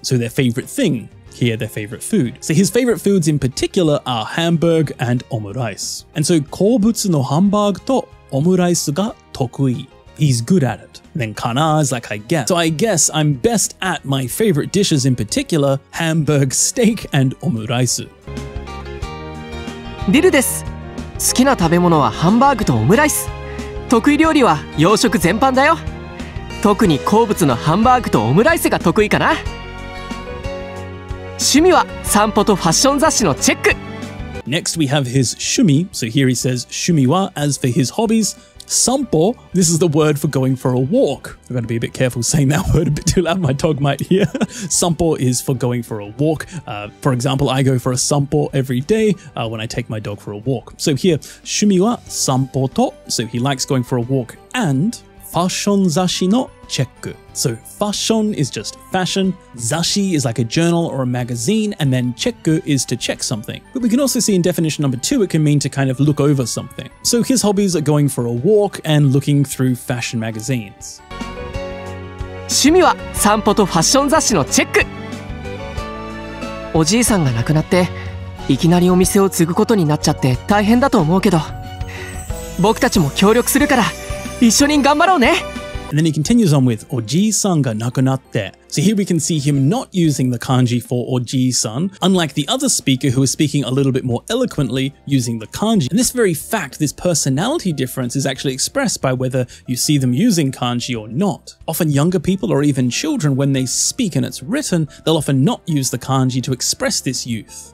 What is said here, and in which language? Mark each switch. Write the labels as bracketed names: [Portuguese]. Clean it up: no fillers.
[English] So their favorite thing, here their favorite food. So his favorite foods in particular are hamburg and omuraisu. And so [Japanese] kobutsu no hamburg to omuraisu ga tokui. [English] He's good at it. Then kana is like, I guess. So I guess I'm best at my favorite dishes in particular, hamburg steak and omuraisu. [Japanese] ディルです。好きな食べ物はハンバーグとオムライス。得意料理は洋食全般だよ。特に好物のハンバーグとオムライスが得意かな。趣味は散歩とファッション雑誌のチェック。 [English] Next we have his 趣味. So here he says 趣味は, as for his hobbies,Sampo, this is the word for going for a walk. I'm going to be a bit careful saying that word a bit too loud, my dog might hear. Sampo is for going for a walk. For example, I go for a sampo every day when I take my dog for a walk. So here, [Japanese] 趣味は散歩と, [English] so he likes going for a walk and [Japanese] fashion zashi no chekku. [English] So fashion is just fashion, zashi is like a journal or a magazine, and then chekku is to check something. But we can also see in definition number two, it can mean to kind of look over something. So his hobbies are going for a walk and looking through fashion magazines. [Japanese] 趣味は散歩とファッション雑誌のチェック。おじいさんが亡くなっていきなりお店を継ぐことになっちゃって大変だと思うけど、僕たちも協力するから一緒に頑張ろうね。 [English] And then he continues on with [Japanese] Ojii-san ga nakunatte. [English] So here we can see him not using the kanji for Ojii-san, unlike the other speaker who is speaking a little bit more eloquently using the kanji. And this very fact, this personality difference, is actually expressed by whether you see them using kanji or not. Often younger people or even children, when they speak and it's written, they'll often not use the kanji to express this youth.